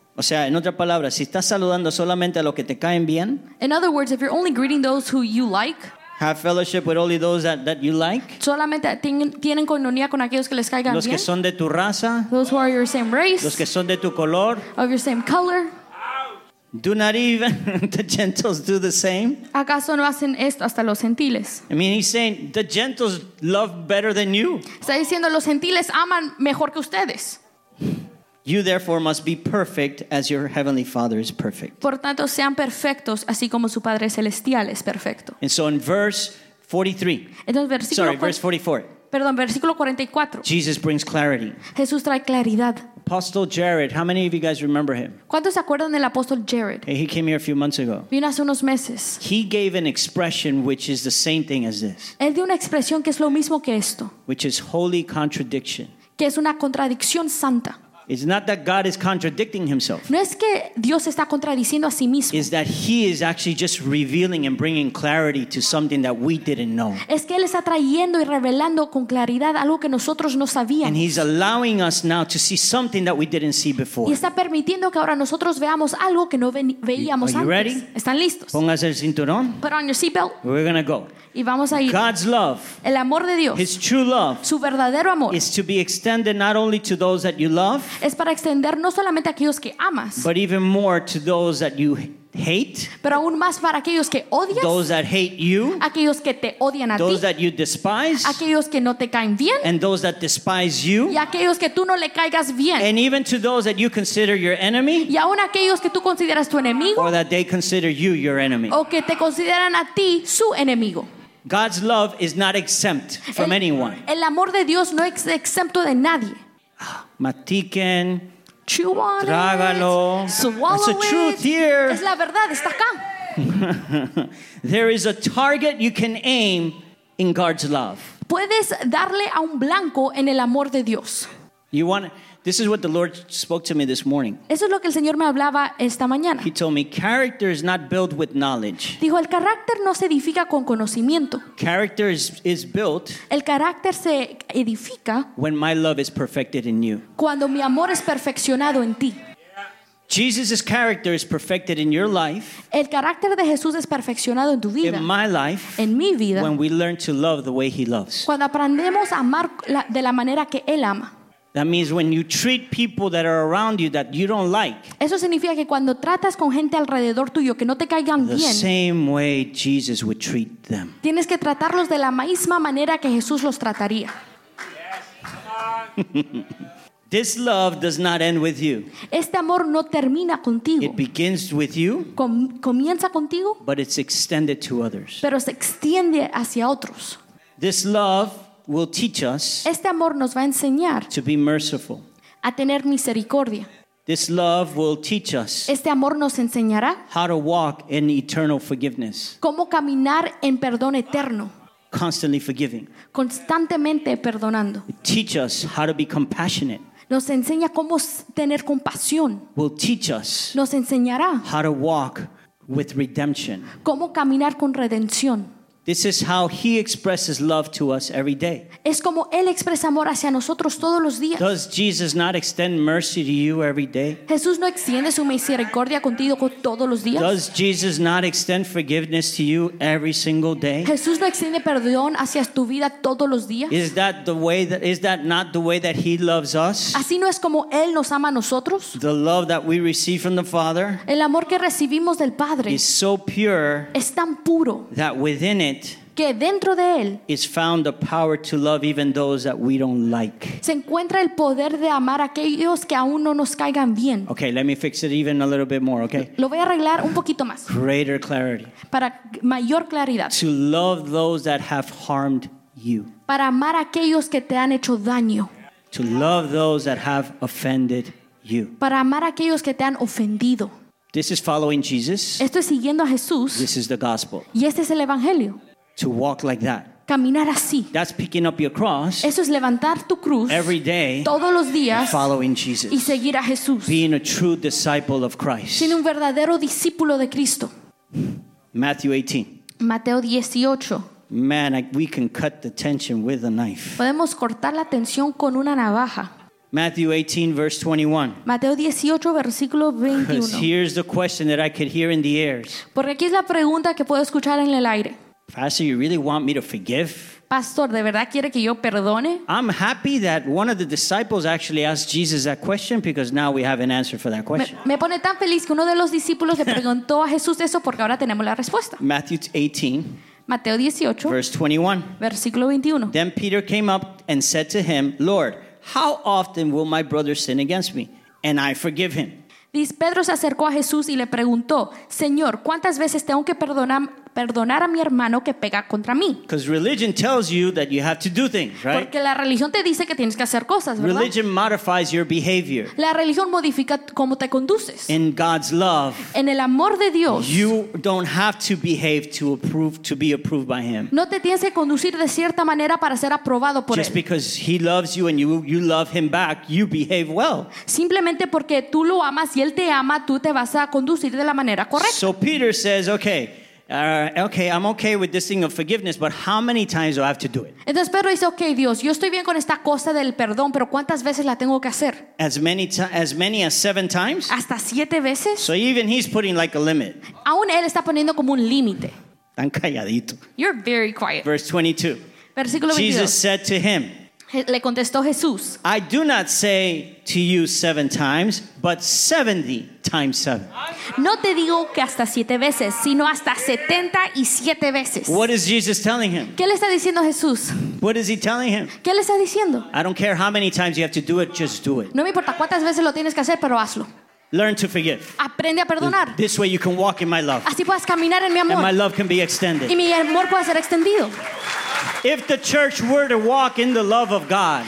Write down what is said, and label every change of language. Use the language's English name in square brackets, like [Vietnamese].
[Spanish] O sea, en otras palabras, si estás saludando solamente a los que te caen bien, [English] in other words, if you're only greeting those who you like, have fellowship with only those that you like, [Spanish] solamente tienen comunión con aquellos que les caigan bien, los que son de tu raza, [English] those who are your same race, [Spanish] los que son de tu color, [English] of your same color. Do not even the Gentiles do the same? [Spanish] ¿Acaso no hacen esto hasta los gentiles? [English] I mean, he's saying the Gentiles love better than you. [Spanish] Está diciendo los gentiles aman mejor que ustedes. [English] You therefore must be perfect as your heavenly Father is perfect. [Spanish] Por tanto, sean perfectos así como su Padre celestial es perfecto. [English] And so in verse 43. [Spanish] Entonces, [English] verse 44. [Spanish] Perdón, versículo 44. [English] Jesus brings clarity. [Spanish] Jesús trae claridad. [English] Apostle Jared, how many of you guys remember him? [Spanish] ¿Cuántos se acuerdan del apóstol Jared? [English] He came here a few months ago. [Spanish] Vino hace unos meses. [English] He gave an expression which is the same thing as this. [Spanish] Él dio una expresión que es lo mismo que esto. [English] Which is holy contradiction. [Spanish] Que es una contradicción santa. [English] It's not that God is contradicting himself. [Spanish] No es que Dios está contradiciendo a sí mismo. [English] It's that he is actually just revealing and bringing clarity to something that we didn't know. [Spanish] Es que él está trayendo y revelando con claridad algo que nosotros no sabíamos. [English] And he's allowing us now to see something that we didn't see before. [Spanish] Y está permitiendo que ahora nosotros veamos algo que no veíamos antes. [English] Are you ready? [Spanish] ¿Están listos? Póngase el cinturón. [English] Put on your seatbelt. We're going to go. [Spanish] Y vamos a ir. [English] God's love. [Spanish] El amor de Dios. [English] His true love. [Spanish] Su verdadero amor. [English] Is to be extended not only to those that you love. [Spanish] Es para extender no solamente a aquellos que amas, [English] but even more to those that you hate, [Spanish] pero aún más para aquellos que odias, [English] those that hate you, [Spanish] aquellos que te odian a ti, [English] those that you despise, [Spanish] aquellos que no te caen bien, [English] and those that despise you, [Spanish] y aquellos que tú no le caigas bien, [English] and even to those that you consider your enemy, [Spanish] y aún aquellos que tú consideras tu enemigo, [English] or that they consider you your enemy, [Spanish] o que te consideran a ti su enemigo. [English] God's love is not exempt from anyone. [Spanish] El amor de Dios no es exento de nadie. Mastiquen, [English] chew on it, [Spanish] trágalo. [English] Swallow That's the truth here. [Spanish] Es la verdad, está acá. [English] There is a target you can aim in God's love. [Spanish] Puedes darle a un blanco en el amor de Dios. [English] You want, this is what the Lord spoke to me this morning. [Spanish] Eso es lo que el Señor me hablaba esta mañana. [English] He told me, character is not built with knowledge. [Spanish] Dijo, el carácter no se edifica con conocimiento. [English] Character is built. [Spanish] El carácter se edifica. [English] When my love is perfected in you. [Spanish] Cuando mi amor es perfeccionado en ti. [English] Jesus' character is perfected in your life. [Spanish] El carácter de Jesús es perfeccionado en tu vida. [English] In my life. [Spanish] En mi vida. [English] When we learn to love the way he loves. [Spanish] Cuando aprendemos a amar de la manera que él ama. [English] That means when you treat people that are around you that you don't like. [Spanish] Eso significa que cuando tratas con gente alrededor tuyo que no te caigan bien. [English] The same way Jesus would treat them. [Spanish] Tienes que tratarlos de la misma manera que Jesús los trataría. [English] This love does not end with you. [Spanish] Este amor no termina contigo. [English] It begins with you. [Spanish] Comienza contigo. [English] But it's extended to others. [Spanish] Pero se extiende hacia otros. [English] This love will teach us. [Spanish] Este amor nos va a enseñar. [English] To be merciful. [Spanish] A tener misericordia. [English] This love will teach us. [Spanish] Este amor nos enseñará. [English] How to walk in eternal forgiveness. [Spanish] Cómo caminar en perdón eterno. [English] Constantly forgiving. [Spanish] Constantemente perdonando. [English] Teach us how to be compassionate. [Spanish] Nos enseña cómo tener compasión. [English] Will teach us. [Spanish] Nos enseñará. [English] How to walk with redemption. [Spanish] Cómo caminar con redención. [English] This is how he expresses love to us every day. [Spanish] Es como él expresa amor hacia nosotros todos los días. [English] Does Jesus not extend mercy to you every day? [Spanish] Jesús no extiende su misericordia contigo todos los días. [English] Does Jesus not extend forgiveness to you every single day? [Spanish] Jesús no extiende perdón hacia tu vida todos los días. [English] Is that not the way that he loves us? [Spanish] Así no es como él nos ama a nosotros. [English] The love that we receive from the Father. [Spanish] El amor que recibimos del Padre. [English] Is so pure. [Spanish] Es tan puro. [English] That within it. [Spanish] Que dentro de él [English] is found the power to love even those that we don't like. [Spanish] Se encuentra el poder de amar a aquellos que aún no nos caigan bien. [English] Okay, let me fix it even a little bit more, okay? [Spanish] Lo voy a arreglar un poquito más. [English] Greater clarity. [Spanish] Para mayor claridad. [English] To love those that have harmed you. [Spanish] Para amar a aquellos que te han hecho daño. [English] To love those that have offended you. [Spanish] Para amar a aquellos que te han ofendido. [English] This is following Jesus. [Spanish] Esto es siguiendo a Jesús. [English] This is the gospel. [Spanish] Y este es el evangelio. [English] To walk like that. [Spanish] Caminar así. [English] That's picking up your cross. [Spanish] Eso es levantar tu cruz. [English] Every day. [Spanish] Todos los días. [English] And following Jesus. [Spanish] Y seguir a Jesús. [English] Being a true disciple of Christ. [Spanish] Siendo un verdadero discípulo de Cristo. [English] Matthew 18. [Spanish] Mateo 18. [English] Man, we can cut the tension with a knife. [Spanish] Podemos cortar la tensión con una navaja. [English] Matthew 18, verse 21. [Spanish] Mateo 18, versículo 21. [English] Because here's the question that I could hear in the air. [Spanish] Porque aquí es la pregunta que puedo escuchar en el aire. [English] Pastor, you really want me to forgive? [Spanish] Pastor, ¿de verdad quiere que yo perdone? [English] I'm happy that one of the disciples actually asked Jesus that question because now we have an answer for that question. [Spanish] Me pone tan feliz que uno de los discípulos le preguntó a Jesús eso porque ahora tenemos la respuesta. [English] Matthew 18. [Spanish] Mateo 18. [English] Verse 21. [Spanish] Versículo 21. [English] Then Peter came up and said to him, Lord, how often will my brother sin against me? And I forgive him. [Spanish] Dice, Pedro se acercó a Jesús y le preguntó, Señor, ¿cuántas veces tengo que perdonar a mi hermano que pega contra mí? [English] Because religion tells you that you have to do things, right? [Spanish] Porque la religión te dice que tienes que hacer cosas, ¿verdad? [English] Religion modifies your behavior. [Spanish] La religión modifica cómo te conduces. [English] In God's love. [Spanish] En el amor de Dios. [English] You don't have to behave to be approved by him. [Spanish] No te tienes que conducir de cierta manera para ser aprobado por [English] just [Spanish] él. [English] Just because he loves you and you love him back, you behave well. [Spanish] Simplemente porque tú lo amas y él te ama, tú te vas a conducir de la manera correcta. [English] So Peter says, okay. Okay, I'm okay with this thing of forgiveness, but how many times do I have to do it? [Spanish] Entonces Pedro dice, okay, Dios, yo estoy bien con esta cosa del perdón, pero ¿cuántas veces la tengo que hacer? [English] As many as seven times. [Spanish] Hasta siete veces. [English] So even he's putting like a limit. [Spanish] Aún él está poniendo como un límite. Tan calladito. [English] You're very quiet. Verse 22. [Spanish] Versículo 22. [English] Jesus said to him. [Spanish] Le contestó Jesús. [English] I do not say to you seven times, but 70 times seven. [Spanish] No te digo que hasta siete veces, sino hasta 77 veces. [English] What is Jesus telling him? [Spanish] ¿Qué le está diciendo Jesús? [English] What is he telling him? [Spanish] ¿Qué le está diciendo? [English] I don't care how many times you have to do it, just do it. [Spanish] No me importa cuántas veces lo tienes que hacer, pero hazlo. [English] Learn to forgive. [Spanish] Aprende a perdonar. [English] This way you can walk in my love. [Spanish] Así puedes caminar en mi amor. [English] And my love can be extended. [Spanish] Y mi amor puede ser extendido. [English] If the church were to walk in the love of God,